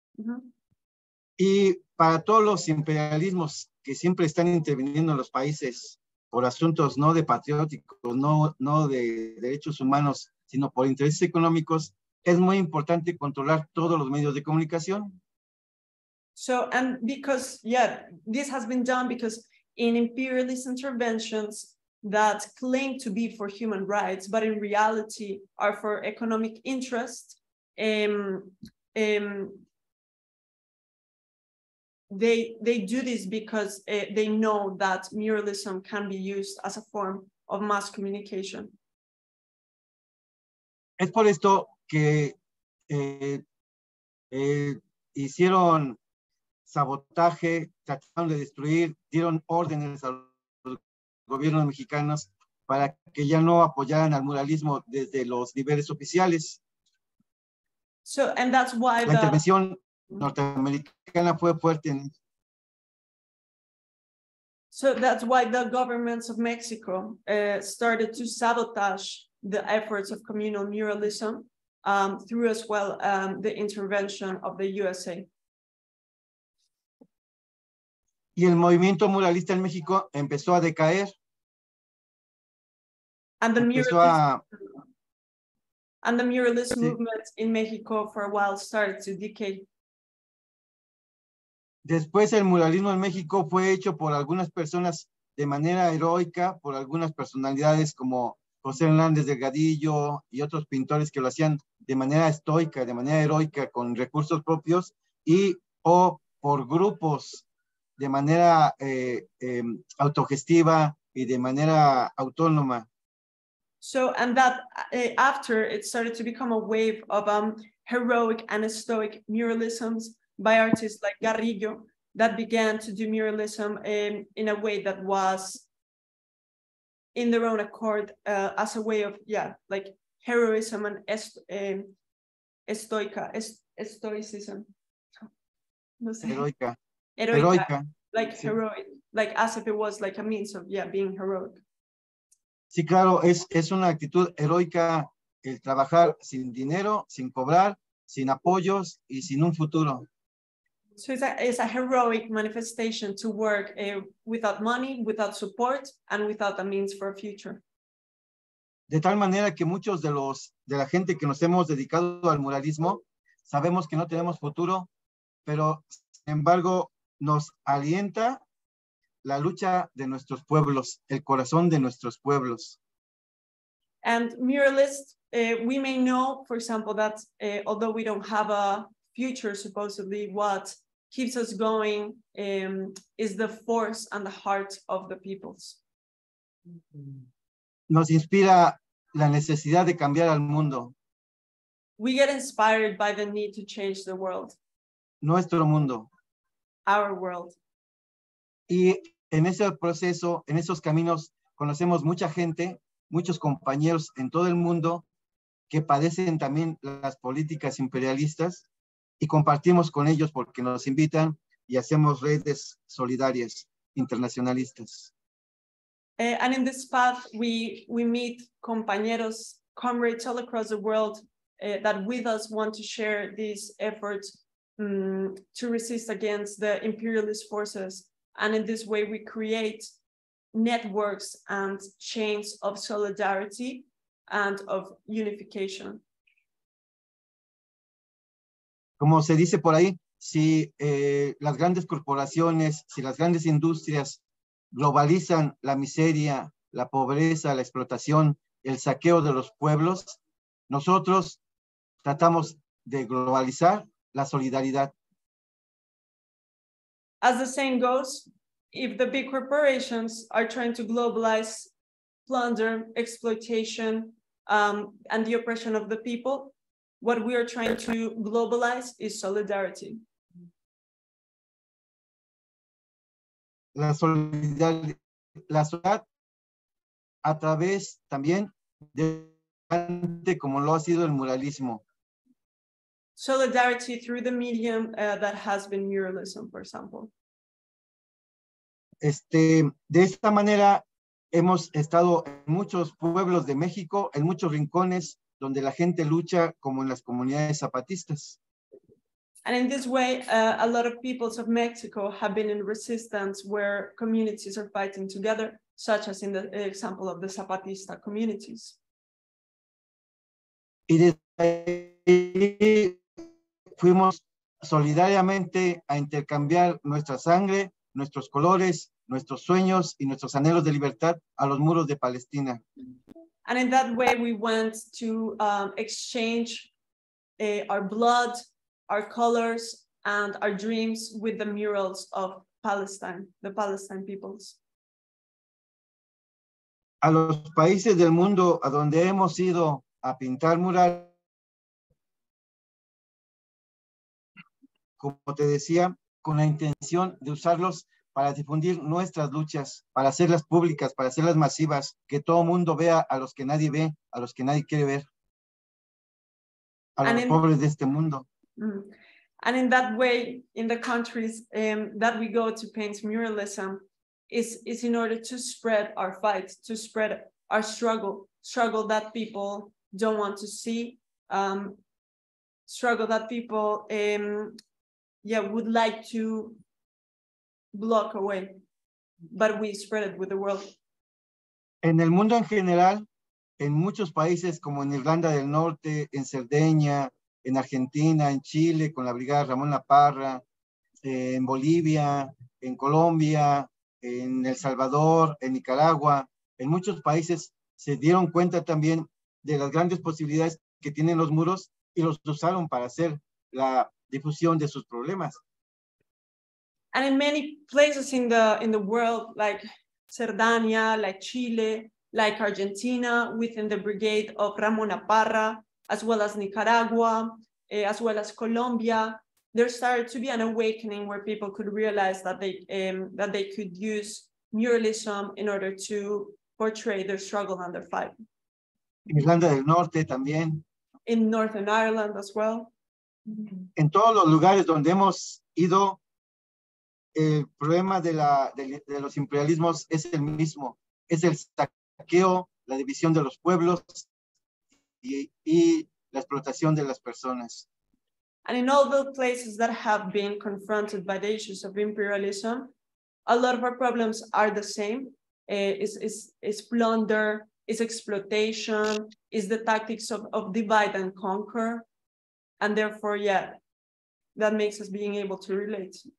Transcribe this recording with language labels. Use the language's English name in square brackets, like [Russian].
[Spanish] Mm-hmm. Y para todos los imperialismos que siempre están interviniendo en los países por asuntos no de patrióticos, no de derechos humanos, sino por intereses económicos, es muy importante controlar todos los medios de comunicación. [English] So, and because, yeah, this has been done because in imperialist interventions that claim to be for human rights, but in reality are for economic interest, they do this because they know that muralism can be used as a form of mass communication. [Spanish] Es por esto que hicieron sabotaje, trataron de destruir, dieron órdenes a los gobiernos mexicanos para que ya no apoyaran al muralismo desde los niveles oficiales. [English] So, and that's why [Spanish] la intervención norteamericana fue fuerte. [English] So that's why the governments of Mexico started to sabotage the efforts of communal muralism through as well the intervention of the USA. [Spanish] Y el movimiento muralista en México empezó a decaer. [English] And the muralist movement in Mexico for a while started to decay. [Spanish] Después el muralismo en México fue hecho por algunas personas de manera heroica, por algunas personalidades como José Hernández Delgadillo y otros pintores que lo hacían de manera estoica, de manera heroica, con recursos propios y o por grupos de manera autogestiva y de manera autónoma. [English] So, and that after it started to become a wave of heroic and stoic muralisms by artists like Garrillo that began to do muralism in a way that was in their own accord as a way of, yeah, like heroism and stoicism. [Spanish] No sé. Heroica. [English] Heroica. Like sí. Heroic, like as if it was like a means of, yeah, being heroic. [Spanish] Sí, claro, es una actitud heroica el trabajar sin dinero, sin cobrar, sin apoyos y sin un futuro. [English] So it's a heroic manifestation to work without money, without support, and without a means for a future. [Spanish] De tal manera que muchos de la gente que nos hemos dedicado al muralismo sabemos que no tenemos futuro, pero sin embargo nos alienta la lucha de nuestros pueblos, el corazón de nuestros pueblos. [English] And muralists, we may know, for example, that although we don't have a future, supposedly, what keeps us going is the force and the heart of the peoples. [Spanish] Nos inspira la necesidad de cambiar al mundo. [English] We get inspired by the need to change the world. [Spanish] Nuestro mundo. [English] Our world. [Spanish] Y en ese proceso, en esos caminos, conocemos mucha gente, muchos compañeros en todo el mundo que padecen también las políticas imperialistas. Y compartimos con ellos porque nos invitan y hacemos redes solidarias internacionalistas. [English] And in this path, we meet compañeros, comrades all across the world that with us want to share these efforts to resist against the imperialist forces. And in this way, we create networks and chains of solidarity and of unification. [Spanish] Como se dice por ahí, si las grandes corporaciones, si las grandes industrias globalizan la miseria, la pobreza, la explotación, el saqueo de los pueblos, nosotros tratamos de globalizar la solidaridad. [English] As the saying goes, if the big corporations are trying to globalize plunder, exploitation, and the oppression of the people, what we are trying to globalize is solidarity. [Spanish] La solidaridad a través también de como lo ha sido el muralismo. [English] Solidarity through the medium that has been muralism, for example. [Spanish] De esta manera hemos estado en muchos pueblos de México, en muchos rincones donde la gente lucha como en las comunidades zapatistas. [English] And in this way, a lot of peoples of Mexico have been in resistance where communities are fighting together, such as in the example of the Zapatista communities. [Spanish] Y desde fuimos solidariamente a intercambiar nuestra sangre, nuestros colores, nuestros sueños y nuestros anhelos de libertad a los muros de Palestina. [English] And in that way, we went to exchange our blood, our colors, and our dreams with the murals of Palestine, the Palestine peoples. [Spanish] A los países del mundo a donde hemos ido a pintar murales, como te decía, con la intención de usarlos para difundir nuestras luchas, para hacerlas públicas, para hacerlas masivas, que todo mundo vea a los que nadie ve, a los que nadie quiere ver, a los pobres de este mundo. [English] And in that way, in the countries that we go to paint muralism, is in order to spread our fight, to spread our struggle that people don't want to see, struggle that people would like to block away, but we spread it with the world. [Spanish] En el mundo en general, en muchos países como en Irlanda del Norte, en Cerdeña, en Argentina, en Chile, con la Brigada Ramón La Parra, en Bolivia, en Colombia, en El Salvador, en Nicaragua, en muchos países se dieron cuenta también de las grandes posibilidades que tienen los muros y los usaron para hacer la difusión de sus problemas. [English] And in many places in the world, like Cerdania, like Chile, like Argentina, within the brigade of Ramón La Parra, as well as Nicaragua, as well as Colombia, there started to be an awakening where people could realize that they could use muralism in order to portray their struggle and their fight. [Spanish] Irlanda del Norte también. [English] In Northern Ireland as well. [Spanish] En todos los lugares donde hemos ido, el problema de los imperialismos es el mismo. Es el saqueo, la división de los pueblos y la explotación de las personas. [English] And in all the places that have been confronted by the issues of imperialism, a lot of our problems are the same. It's plunder, it's exploitation, it's the tactics of divide and conquer. And therefore, yeah, that makes us being able to relate.